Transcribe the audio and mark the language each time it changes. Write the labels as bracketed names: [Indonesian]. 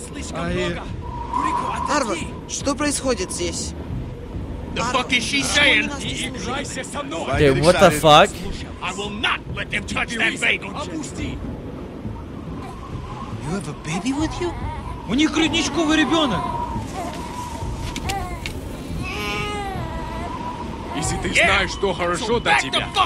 [Russian] Arvo, что происходит здесь? [English] The fuck is she saying? Dude, what the fuck? I will not let them touch that baby! You have a baby with you? [Russian] У них грудничковый ребенок. Если ты знаешь, что хорошо для тебя,